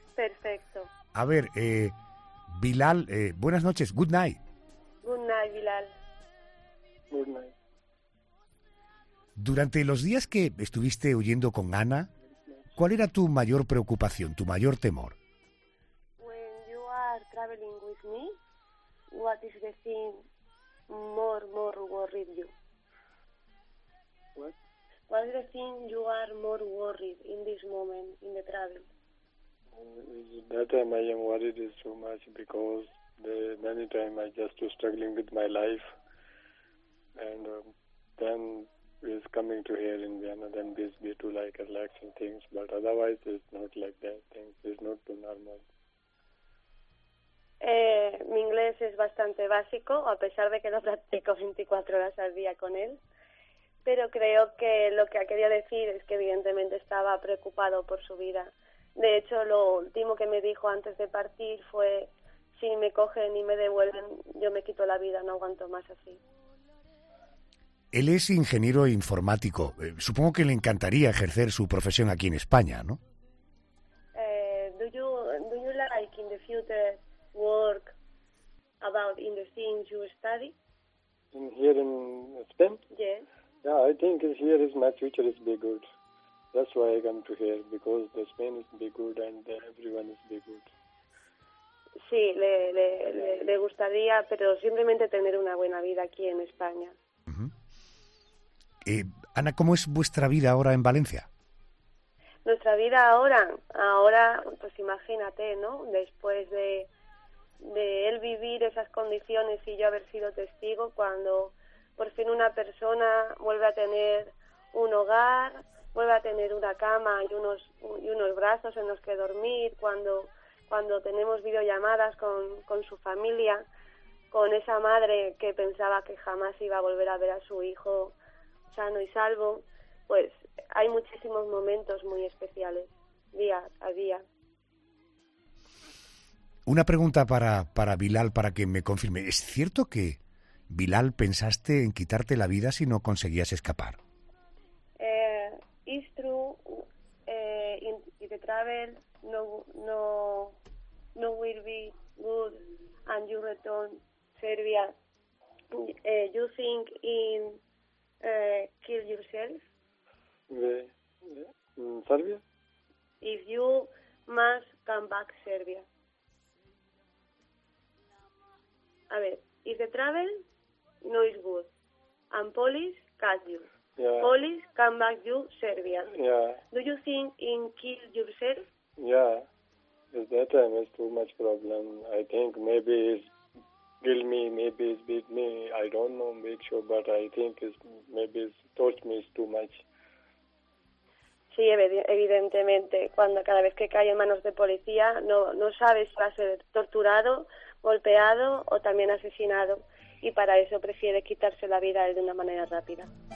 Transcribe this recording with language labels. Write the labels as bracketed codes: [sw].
[es] Perfecto. A ver, Bilal, buenas noches, [en] good night. Good night, Bilal. Good night. [es] Durante los días que estuviste huyendo con Ana, ¿cuál era tu mayor preocupación, tu mayor temor? [en] When you are traveling with me, what is the thing more worried you? What? What is the thing you are more worried in this moment, in the travel? That I am worried is so much because the many times I just struggling with my life and then is coming to here in Vienna, then this be too like relaxing things, but otherwise it's not like that, things is not too normal. [es] Mi inglés es bastante básico, a pesar de que lo practico 24 horas al día con él, pero creo que lo que ha querido decir es que evidentemente estaba preocupado por su vida. De hecho, lo último que me dijo antes de partir fue: si me cogen y me devuelven, yo me quito la vida, no aguanto más así. Él es ingeniero informático. Supongo que le encantaría ejercer su profesión aquí en España, ¿no? [en] Do you like in the future work about in the things you study? Here in Spain? Yes. Yeah, I think here is my future is be good. That's why I come to here, because the Spain is be good and everyone is be good. [es] Sí, le gustaría, pero simplemente tener una buena vida aquí en España. Ana, ¿cómo es vuestra vida ahora en Valencia? Nuestra vida ahora, pues imagínate, ¿no? Después de él vivir esas condiciones y yo haber sido testigo, cuando por fin una persona vuelve a tener un hogar, vuelve a tener una cama y unos brazos en los que dormir cuando tenemos videollamadas con su familia, con esa madre que pensaba que jamás iba a volver a ver a su hijo sano y salvo. Pues hay muchísimos momentos muy especiales, día a día. Una pregunta para Bilal, para que me confirme. ¿Es cierto que, Bilal, pensaste en quitarte la vida si no conseguías escapar? [en] It's true. If the travel no will be good and you return Serbia, you think in kill yourself? In Serbia? If you must come back Serbia. [es] A ver, [en] if the travel no is good and police catch you. Yeah. Police come back you Serbia. Yeah. Do you think in kill yourself? Yeah. At that time it's too much problem. I think maybe it's kill me, maybe it's beat me. I don't know, make sure, but I think it's maybe it's torture me is too much. [es] Sí, evidentemente. Cada vez que cae en manos de policía, no sabes si va a ser torturado, golpeado o también asesinado, y para eso prefiere quitarse la vida de una manera rápida.